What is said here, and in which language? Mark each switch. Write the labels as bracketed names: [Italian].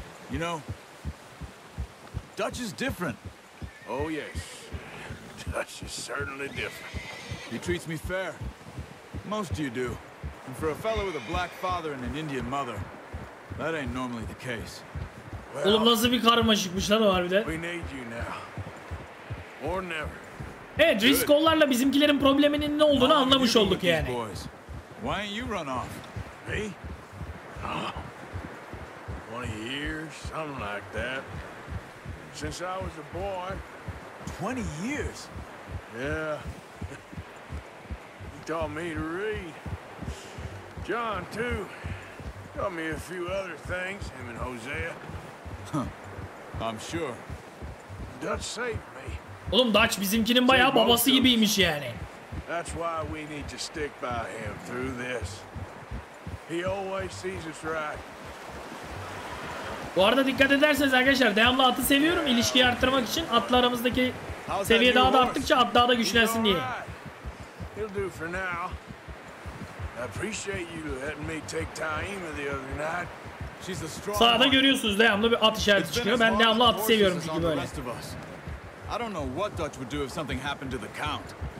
[English] You know, Dutch is different. Oh, yes. Dutch is certainly different. He treats me fair. Most of you do. And for a fellow with a black father and an Indian mother, that ain't normally the case. [Turkish] Well, oğlum nasıl bir karmaşıkmış lan o harbiden. [English] We need you now. Or never. [Turkish] Evet, Driscoll'larla bizimkilerin probleminin ne olduğunu [English] Why [Turkish] anlamış olduk yani. [English] Why ain't you run off? Me? Oh, 20 years, something like that. Since I was a boy. 20 years? Yeah. He taught me to read. John, too. Taught me a few other things, him and Hosea. Huh. I'm sure. Dutch saved me. [Turkish] Oğlum Dutch bizimkinin bayağı babası gibiymiş yani. [English] That's why we need to stick by him through this. He always sees us right. [Turkish] Bu arada dikkat ederseniz arkadaşlar, devamlı atı seviyorum ilişkiyi arttırmak için. Atla aramızdaki seviye daha da arttıkça at daha da güçlensin diye. [English] He'll do for now. I appreciate you letting me take time the other night. [Turkish] Sağda görüyorsunuz devamlı bir at işareti çıkıyor. Ben devamlı atı seviyorum çünkü böyle. [English] I don't know what Dutch would do if something happened to the Count.